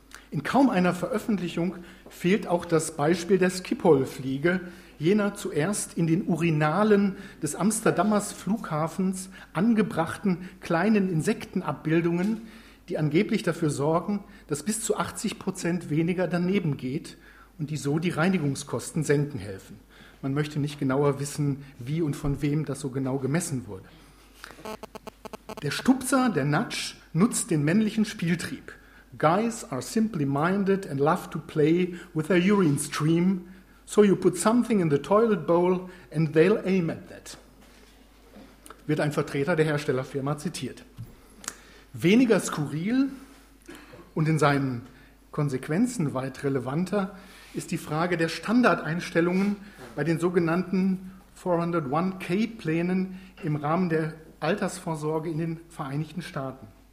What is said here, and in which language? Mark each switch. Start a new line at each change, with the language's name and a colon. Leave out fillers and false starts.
German: In kaum einer Veröffentlichung fehlt auch das Beispiel der Schiphol-Fliege, jener zuerst in den Urinalen des Amsterdamers Flughafens angebrachten kleinen Insektenabbildungen, die angeblich dafür sorgen, dass bis zu 80% weniger daneben geht und die so die Reinigungskosten senken helfen. Man möchte nicht genauer wissen, wie und von wem das so genau gemessen wurde. Der Stupser, der Natsch, nutzt den männlichen Spieltrieb.
English: Guys are simply minded and love to play with their urine stream, so you put something in the toilet bowl and they'll aim at that.
German: Wird ein Vertreter der Herstellerfirma zitiert. Weniger skurril und in seinen Konsequenzen weit relevanter ist die Frage der Standardeinstellungen bei den sogenannten 401k-Plänen im Rahmen der Altersvorsorge in den Vereinigten Staaten.